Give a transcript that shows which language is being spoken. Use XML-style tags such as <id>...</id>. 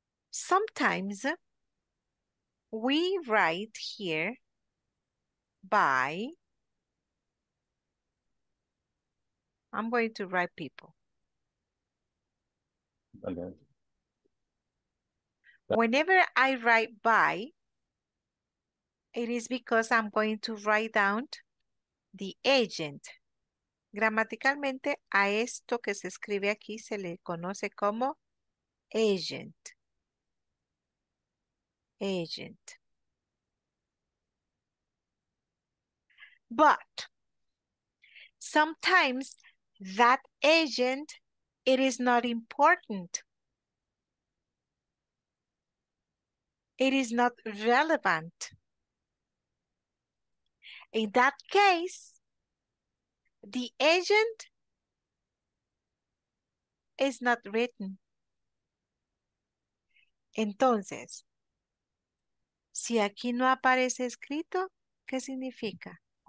<en>Sometimes we write here by, I'm going to write people. Okay. Whenever I write by, it is because I'm going to write down the agent.</en> <es>Gramaticalmente, a esto que se escribe aquí se le conoce como agent.</es> <en>Agent. But sometimes that agent, it is not important. it is not relevant. In that case, the agent is not written.</en> <es>Entonces, si aquí no aparece escrito, ¿qué significa?</es>